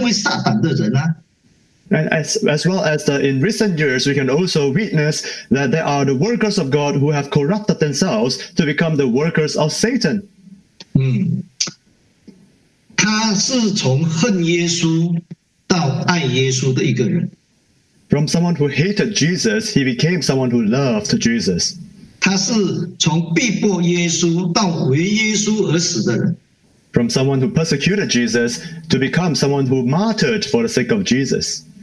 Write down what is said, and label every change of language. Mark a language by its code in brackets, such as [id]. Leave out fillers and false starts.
[zh] 神的工人变成撒旦的工人啊，替撒旦做事，替撒旦哦毁谤教会，哦攻击教会，被称为撒旦的人啊。 [en] And as well as in recent years, we can also witness that there are the workers of God who have corrupted themselves to become the workers of Satan. [zh] 嗯，他是从恨耶稣到爱耶稣的一个人。 [en] From someone who hated Jesus, he became someone who loved Jesus. [zh] 他是从逼迫耶稣到为耶稣而死的人。 [en] From someone who persecuted Jesus to become someone who martyred for the sake of Jesus.